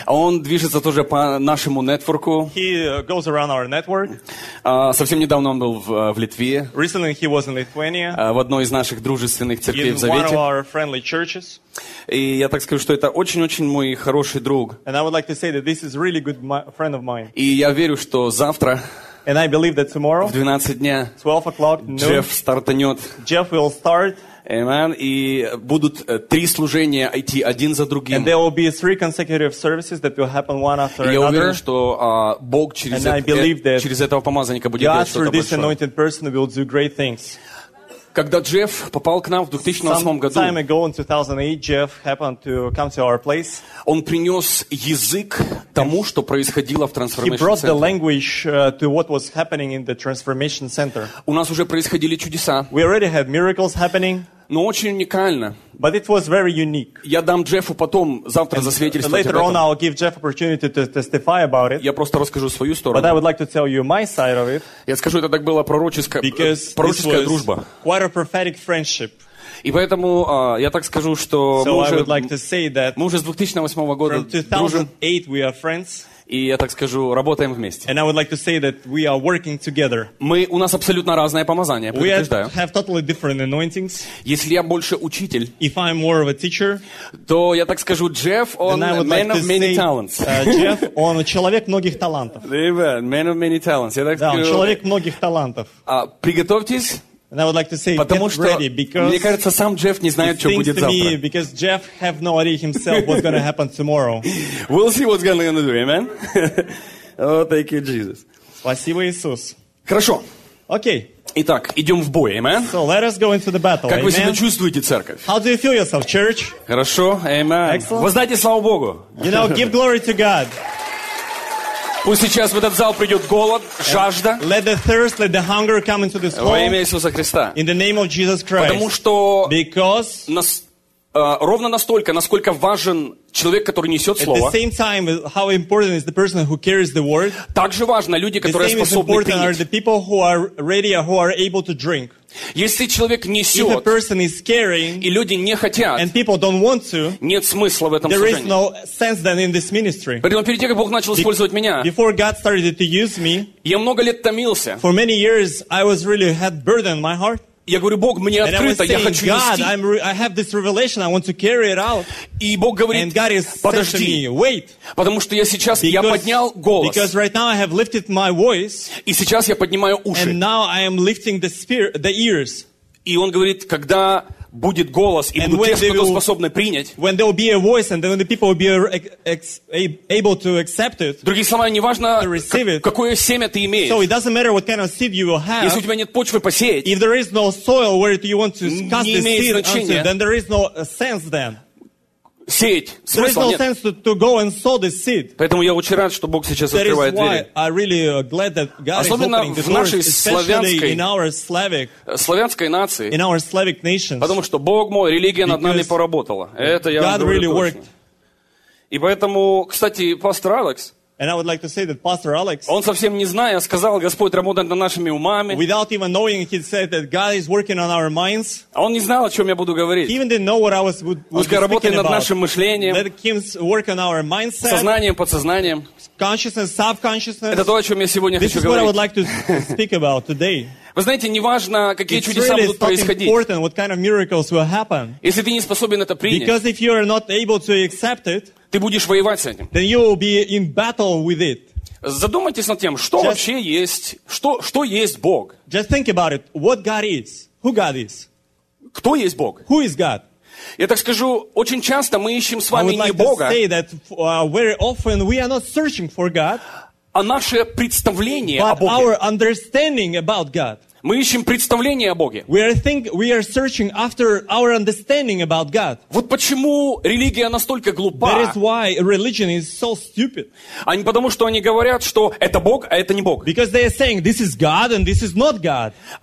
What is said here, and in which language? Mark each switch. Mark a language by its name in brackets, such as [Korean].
[Russian] Он движется тоже по нашему нетворку. [English] He goes around our network. [Russian] Совсем недавно он был в Литве. [English] Recently he was in Lithuania. [Russian] В одной из наших дружественных церквей в Завете. [English] In one of our friendly churches. [Russian] И я так скажу, что это очень-очень мой хороший друг. [English] And I would like to say that this is really good friend of mine. [Russian] И я верю, что завтра. [English] And I believe that tomorrow, [Russian] в 12 дня, [English] 12 o'clock noon, [Russian] Джефф стартанет. [English] Jeff will start. Amen. [Russian] И будут три служения идти один за другим. [English] And there will be three consecutive services that will happen one after another. [Russian] Я уверен, что Бог через этого помазанника будет делать что-то большое. [English] This anointed person will do great things. [Russian] Когда Джефф попал к нам в 2008 году, [English] some time ago in 2008, Jeff happened to come to our place. [Russian] Он принес язык тому, что происходило в Transformation Center. [English] He brought the language to what was happening in the Transformation Center. [Russian] У нас уже происходили чудеса. [English] We already had miracles happening. [Russian] Но очень уникально. [English] But it was very unique. [Russian] Я дам Джеффу потом завтра засвидетельствовать. [English] Later on, I'll give Jeff opportunity to testify about it. [Russian] Я просто расскажу свою сторону. [English] But I would like to tell you my side of it. [Russian] Я скажу, это так было пророческая дружба. [English] Quite a prophetic friendship. [Russian] И поэтому я так скажу, что мы уже с 2008 года дружим. [English] We are friends. [Russian] И я так скажу, работаем вместе. [English] And I would like to say that we are working together. [Russian] У нас абсолютно разное помазание, предупреждаю. [English] We have totally different anointings. [Russian] Если я больше учитель, [English] if I'm more of a teacher, [Russian] то я так скажу, Джефф, он [English] man of many talents. [Russian] Джефф, он человек многих талантов. [English] Amen, man of many talents. [Russian] Да, он человек многих талантов. Приготовьтесь. [English] And I would like to say, [Russian] потому [English] get ready, because [Russian] мне кажется, сам Джефф не знает, что будет завтра. [English] Me, because Jeff have no idea himself what's going to happen tomorrow. We'll see what's going to do, amen. Oh, thank you, Jesus. [Russian] Спасибо, Иисус. Хорошо. Окей. Итак, идем в бой, amen. [English] So let us go into the battle. [Russian] Как [English] amen? [Russian] Вы себя чувствуете, церковь? [English] How do you feel yourself, church? [Russian] Хорошо, amen. [English] Excellent. [Russian] Воздайте славу Богу. [English] You know, give glory to God. [Russian] Пусть сейчас в этот зал придет голод, жажда. [English] Let the thirst, let the hunger come into this hall. [Russian] Во имя Иисуса Христа. [English] In the name of Jesus Christ. [Russian] Потому что [English] because [Russian] ровно настолько, насколько важен человек, который несет слово. [English] At the same time, how important is the person who carries the word? [Russian] Также важно люди, которые способны принять. [English] The same is important are the people who are ready or who are able to drink. [Russian] Если человек несет, [English] if a person is carrying, [Russian] и люди не хотят, [English] and people don't want to, [Russian] нет смысла в этом [English] there [Russian] служении. [English] Is no sense then in this ministry. [Russian] Поэтому перед тем, как Бог начал использовать меня, [English] before God started to use me, [Russian] я много лет томился. [English] For many years, I was really had burden in my heart. [Russian] Я говорю, Бог, мне открыто, [English] saying, [Russian] я хочу [English] God, [Russian] нести. [English] I have this revelation, I want to carry it out. [Russian] И Бог говорит, [English] and God is [Russian] подожди, [English] me, wait. [Russian] Потому что я сейчас, [English] because, [Russian] я поднял голос. [English] Because right now I have lifted my voice. [Russian] И сейчас я поднимаю уши. [English] And now I am lifting the ears. [Russian] И он говорит, когда будет голос, и [English] and [Russian] будут те, кто способны принять. [English] When there will be a voice, and then the people will be able to accept it. [Russian] Другими словами, неважно, какое семя ты имеешь. [English] So it doesn't matter what kind of seed you will have. [Russian] Если у тебя нет почвы посеять. [English] If there is no soil where you want to cast the seed, [Russian] значения, [English] onto, then there is no sense then. [Russian] Сеять. [English] There [Russian] смысла [English] is no Sense to go and sow the seed. [Russian] Поэтому я очень рад, что Бог сейчас [English] that [Russian] открывает двери. [English] I really glad that God [Russian] особенно [English] is opening the doors, especially in our Slavic, [Russian] славянской нации. [English] In our Slavic nations. [Russian] Потому что Бог мой, религия над нами поработала. Это я [English] God really worked. [Russian] И поэтому, кстати, пастор Алекс. [English] And I would like to say that Pastor Alex. [Russian] Он совсем не зная, сказал, Господь работает над нашими умами. [English] Without even knowing, he said that God is working on our minds. [Russian] Он не знал, о чем я буду говорить. [English] He even didn't know what I was would be speaking about. [Russian] Над нашим мышлением. [English] Let him work on our mindset. [Russian] Сознанием, подсознанием. [English] Consciousness, subconsciousness. [Russian] Это то, о чем я сегодня [English] this [Russian] хочу [English] is what [Russian] говорить. [English] I would like to speak about today. [Russian] Вы знаете, неважно, какие [English] it's [Russian] чудеса [English] really [Russian] будут происходить. [English] Important what kind of miracles will happen. [Russian] Если ты не способен это принять. [English] Because if you are not able to accept it. [Russian] Ты будешь воевать с этим. [English] Then you will be in battle with it. [Russian] Задумайтесь над тем, что [English] just, [Russian] вообще есть, что есть Бог. [English] Just think about it. What God is? Who God is? [Russian] Кто есть Бог? [English] Who is God? [Russian] Я так скажу, очень часто мы ищем с вами [English] like [Russian] не Бога. [English] Say that, very often we are not searching for God, [Russian] а наше представление [English] but [Russian] о Боге. [English] Our understanding about God. [Russian] Мы ищем представление о Боге. Вот почему религия настолько глупа. [English] That is why religion is so stupid. [Russian] А не потому, что они говорят, что это Бог, а это не Бог. [English] Because they are saying this is God and this is not God.